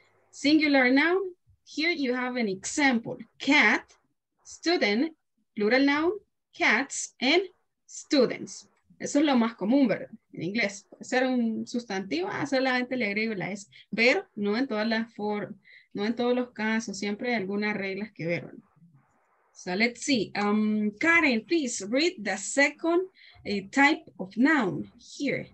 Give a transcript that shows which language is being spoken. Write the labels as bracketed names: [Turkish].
[English] Singular noun, here you have an example, cat, student, plural noun, cats, and students. [Spanish] Eso es lo más común, ¿verdad? En inglés. Ser un sustantivo, solamente le agrego la S. Pero no en todas las formas, no en todos los casos. Siempre hay algunas reglas que ver, ¿verdad? [English] So let's see. Karen, please read the second type of noun here.